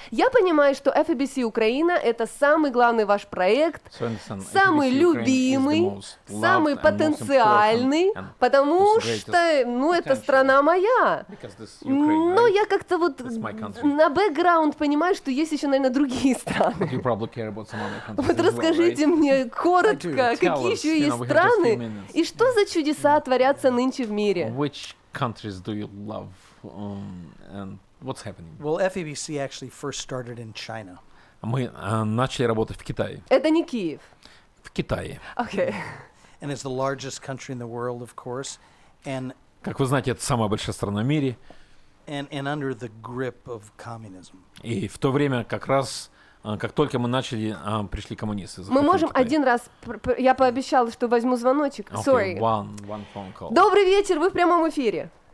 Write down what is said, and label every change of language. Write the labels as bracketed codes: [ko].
[ru] Я понимаю, что FEBC Украина – это самый главный ваш проект, самый любимый, самый потенциальный, потому что, ну, это страна моя. Но я как-то вот на бэкграунд понимаю, что есть еще, наверное, другие страны. Вот расскажите мне коротко, какие еще есть страны и что за чудеса творятся нынче в мире? [en] Which countries do you love and what's happening? Well, FEBC actually first started in China. [ru] Мы начали работать в Китае. Это не Киев. В Китае. [en] Okay. And it's the largest country in the world, of course, and [ru] как вы знаете, это самая большая страна в мире. И в то время как раз, как только мы начали, пришли коммунисты. Мы можем Китай. Один раз, я пообещала, что возьму звоночек. [en] Okay, sorry. One phone call. [ru] Добрый вечер, вы в прямом эфире.